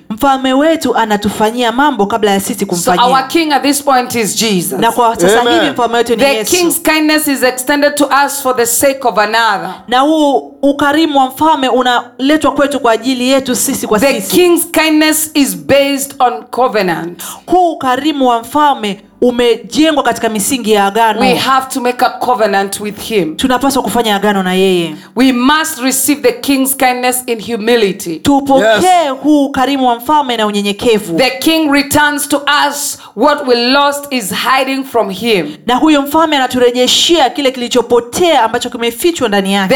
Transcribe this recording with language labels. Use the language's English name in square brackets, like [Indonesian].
[Swahili] Mfalme wetu anatufanyia mambo kabla ya sisi kumfanyia. [English] So our king at this point is Jesus. [Swahili] Na kwa sasa hivi mfalme wetu ni Yesu. [English] The king's kindness is extended to us for the sake of another. [Swahili] Na huu ukarimu wa mfalme unaletwa kwetu kwa ajili yetu sisi kwa sisi. [English] The king's kindness is based on covenant. [Swahili] Huu ukarimu wa mfalme umejengwa katika misingi ya agano. [English] We have to make a covenant with him. [Swahili] Tunapaswa kufanya agano na yeye. [English] We must receive the king's kindness in humility. [Swahili] Tupokee huu karimu wa mfalme na unyenyekevu. [English] The king returns to us what we lost is hiding from him. [Swahili] Na huyo mfalme anaturejeshia kile kilichopotea ambacho kimefichwa ndani yake.